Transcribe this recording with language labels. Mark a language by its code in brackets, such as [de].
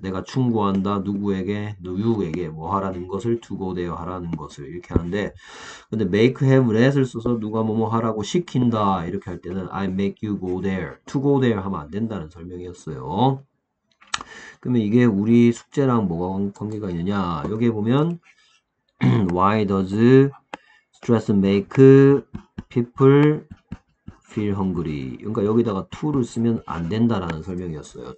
[ko] 내가 충고한다. 누구에게 누구에게 뭐 하라는 것을 to go there 하라는 것을 이렇게 하는데 근데 make have let을 써서 누가 뭐뭐 하라고 시킨다 이렇게 할 때는 [en] I make you go there. [ko] to go there 하면 안 된다는 설명이었어요. 그러면 이게 우리 숙제랑 뭐가 관계가 있느냐? 여기에 보면 [en] why does stress make people feel hungry. [ko] 그러니까 여기다가 to를 쓰면 안 된다라는 설명이었어요.